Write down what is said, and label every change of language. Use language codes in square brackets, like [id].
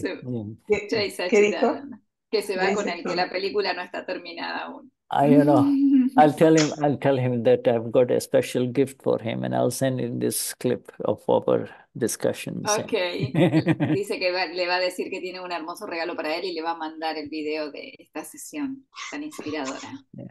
[es] So, Jay Sachidana, que se va con él, que la película no está terminada aún. [en] I don't know. I'll tell him that I've got a special gift for him, and I'll send him this clip of our discussions. [es] Okay, dice que le va a decir que tiene un hermoso regalo para él y le va a mandar el video de esta sesión tan inspiradora.